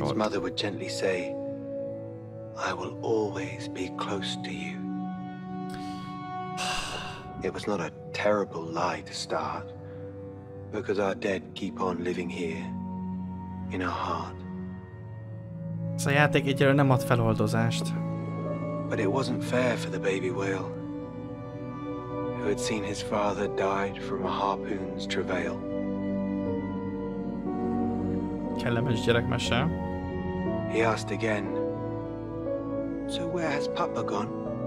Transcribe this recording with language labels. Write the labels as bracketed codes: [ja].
[en] mother would gently say, I will always be close to you. It was not a terrible lie to start, because our dead keep on living here, in our heart. [hu] Ez a játék egyelőre nem ad feloldozást. [en] But it wasn't fair for the baby whale, who had seen his father died from a harpoon's travail. [hu] Kellemes gyerekmese. [en] He asked again, so where has Papa gone?